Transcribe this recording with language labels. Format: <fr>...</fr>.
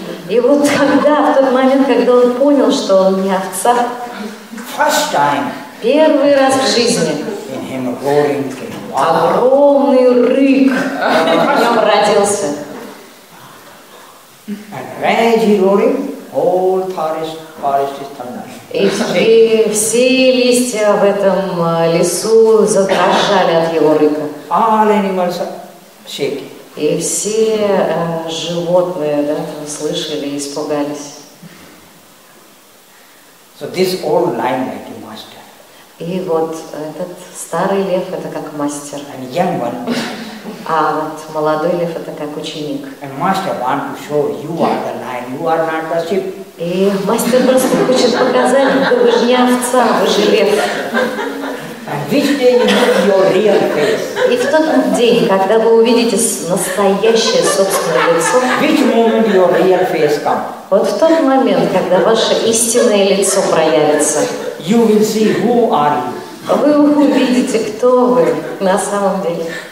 <ru>И вот тогда, в тот момент, когда он понял, что он не овца,</ru> <en>first time,</en> <ru>первый раз в жизни,</ru> <en>in him roaring king,</en> <ru>огромный рык в нем родился.</ru> <en>And as he roaring, whole forest is thundering.</en> <ru>И все листья в этом лесу задрожали от его рыка.</ru> <en>All animals are shaking.</en> <ru>И все животные, да, там слышали и испугались.</ru> <en>So this old lion like a master.</en> <ru>И вот этот старый лев это как мастер.</ru> <en>And young one.</en> <ru>А вот молодой лев это как ученик.</ru> <en>And master want to show you are the lion, you are not the sheep.</en> <ru>И мастер просто хочет показать, что вы же не овца, вы же лев. И в тот день, когда вы увидите настоящее собственное лицо, вот в тот момент, когда ваше истинное лицо проявится, вы увидите, кто вы на самом деле.</ru>